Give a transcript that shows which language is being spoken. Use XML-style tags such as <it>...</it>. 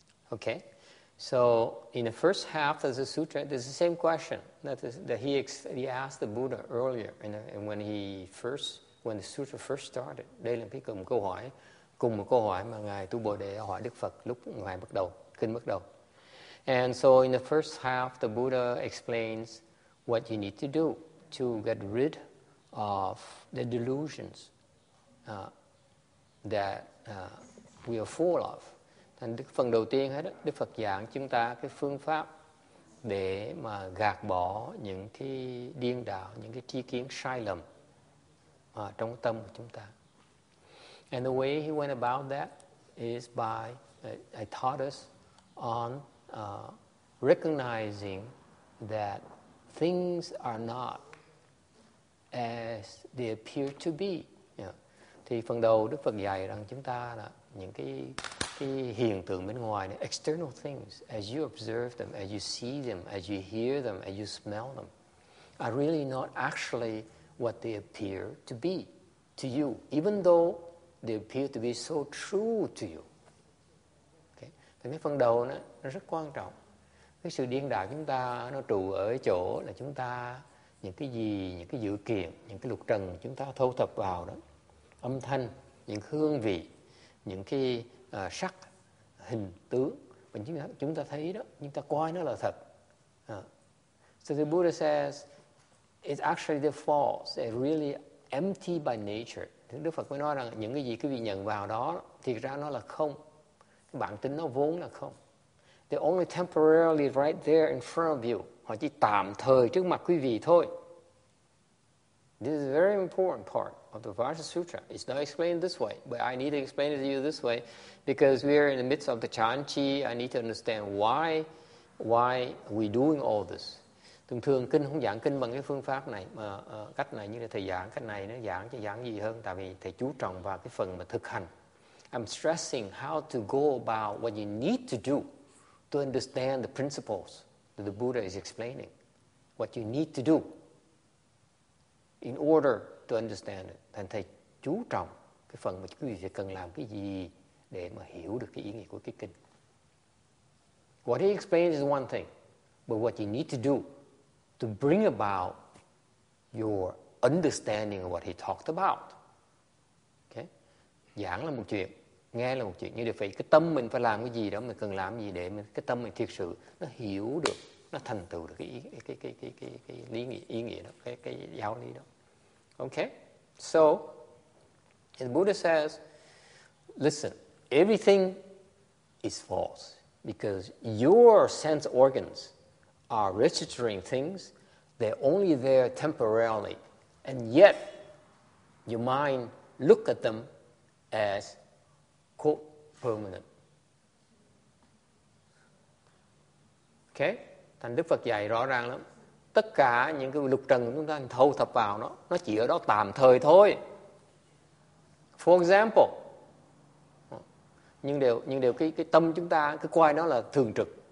<en>Okay, so in the first half of the sutra, there's the same question that he asked the Buddha earlier, and when the sutra first started.</en> <vi>Đây là cái cùng một câu hỏi mà Ngài Tu Bồ Đề hỏi Đức Phật lúc Ngài bắt đầu, kinh bắt đầu.</vi> <en>And so in the first half, the Buddha explains what you need to do to get rid of the delusions that we are full of.</en> <vi>Thành phần đầu tiên hết đó, Đức Phật giảng chúng ta cái phương pháp để mà gạt bỏ những cái điên đảo, những cái tri kiến sai lầm trong tâm của chúng ta.</vi> <en>And the way he went about that is by, I taught us on recognizing that things are not as they appear to be.</en> <vi>Thì phần đầu Đức Phật dạy rằng chúng ta là những cái hiện tượng bên ngoài,</vi> <en>external things, as you observe them, as you see them, as you hear them, as you smell them, are really not actually what they appear to be to you,</en> <vi>even though they appear to be so true to you.</vi> <en>Okay.</en> <vi>Thì cái phần đầu nó rất quan trọng. Cái sự điên đảo chúng ta nó trụ ở chỗ là chúng ta những cái gì, những cái dự kiện, những cái lục trần chúng ta thu thập vào đó, âm thanh, những hương vị, những cái sắc, hình tướng mà chúng ta thấy đó, chúng ta coi nó là thật.</vi> <en>So the Buddha says it's actually the false, it's really empty by nature.</en> <vi>Đức Phật mới nói rằng những cái gì quý vị nhận vào đó thiệt ra nó là không, bản tính nó vốn là không.</vi> <en>They're only temporarily right there in front of you.</en> <vi>Họ chỉ tạm thời trước mặt quý vị thôi.</vi> <en>This is a very important part of the Vajra Sutra. It's not explained this way, but I need to explain it to you this way because we are in the midst of the Chan Chi. I need to understand why we doing all this.</en> <vi>Thường thường kinh không giảng kinh bằng cái phương pháp này, mà cách này như là thầy giảng, cách này nó giảng cho giảng gì hơn, tại vì thầy chú trọng vào cái phần mà thực hành.</vi> <en>I'm stressing how to go about what you need to do to understand the principles that the Buddha is explaining, what you need to do in order to understand it.</en> <vi>Thành thầy chú trọng cái phần mà quý vị cần làm cái gì để mà hiểu được cái ý nghĩa của cái kinh.</vi> <en>What he explains is one thing, but what you need to do to bring about your understanding of what he talked about. Okay?</en> <vi>Giảng là một chuyện, nghe là một chuyện, nhưng để phải cái tâm mình phải làm cái gì đó, mình cần làm gì để mình, cái tâm mình thiệt sự nó hiểu được, nó thành tựu được cái lý nghĩa, ý nghĩa đó, cái giáo lý đó.</vi> <en>Okay? So the Buddha says, listen, everything is false because your sense organs are registering things, they're only there temporarily, and yet your mind look at them as quote permanent. Okay?</en> <vi>Thành Đức Phật dạy rõ ràng lắm. Tất cả những cái lục trần chúng ta thâu thập vào nó chỉ ở đó tạm thời thôi.</vi> <en>For example,</en> <vi>nhưng đều cái tâm chúng ta cứ coi nó là thường trực.</vi>